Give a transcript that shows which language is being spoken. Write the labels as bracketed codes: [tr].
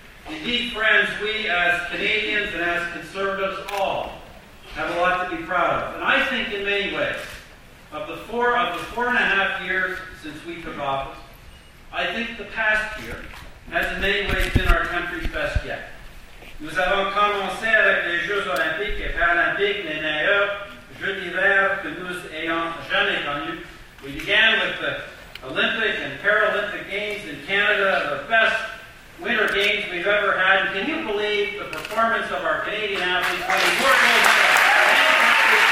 [en] Indeed, friends, we as Canadians and as conservatives all have a lot to be proud of. And I think in many ways, of the four and a half years since we took office, I think the past year has in many ways been our country's best yet. [fr] Nous avons commencé avec les Jeux Olympiques et Paralympiques, les meilleurs Jeux d'hiver que nous ayons jamais connus. [en] We began with the Olympic and Paralympic Games in Canada, the best winter games we've ever had. And can you believe the performance of our Canadian athletes winning more gold medals?